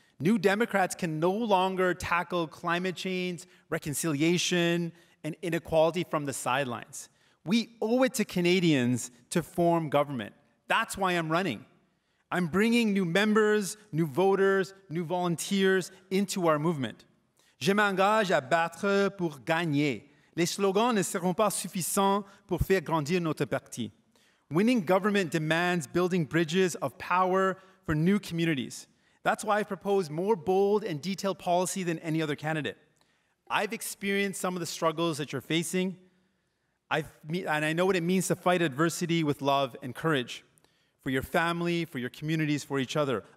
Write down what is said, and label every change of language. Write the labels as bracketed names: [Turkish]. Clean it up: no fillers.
[English] New Democrats can no longer tackle climate change, reconciliation, and inequality from the sidelines. We owe it to Canadians to form government. That's why I'm running. I'm bringing new members, new voters, new volunteers into our movement. [French] Je m'engage à battre pour gagner. Les slogans ne seront pas suffisants pour faire grandir notre parti. [English] Winning government demands building bridges of power for new communities. That's why I've proposed more bold and detailed policy than any other candidate. I've experienced some of the struggles that you're facing, and I know what it means to fight adversity with love and courage for your family, for your communities, for each other.